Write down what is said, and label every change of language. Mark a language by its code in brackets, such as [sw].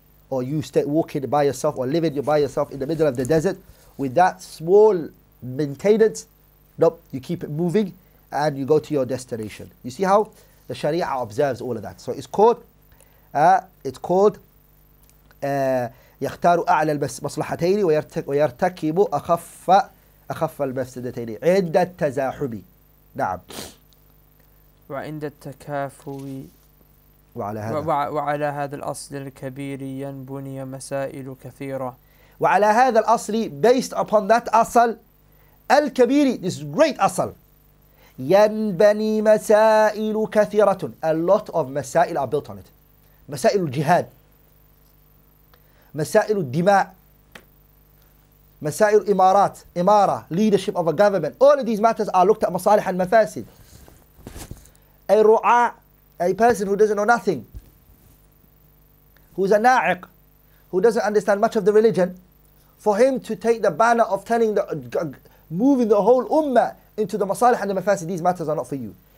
[en] Or you stay walking by yourself or living by yourself in the middle of the desert with that small maintenance. Nope, you keep it moving and you go to your destination. You see how the Sharia observes all of that. So it's called [ar] يختار أعلى المصلحتين ويرتكب أخف المفسدتين عند التزاحب. نعم. وعند التكافؤ وعلى هذا الأصل الكبير ينبني مسائل كثيرة. وعلى هذا الأصل, [en] based upon that [ar] أصل الكبير, [en] this great [ar] أصل, ينبني مسائل كثيرة. [en] A lot of مسائل are built on it. [ar] مسائل الجهاد, مسائل الدماء, مسائل إمارات, إمارة, [en] leadership of a government. All of these matters are looked at [ar] مصالح المفاسد. [en] A رعاء, a person who doesn't know nothing, who's a na'iq, who doesn't understand much of the religion, for him to take the banner of telling moving the whole ummah into the masalih and the mafasid, these matters are not for you.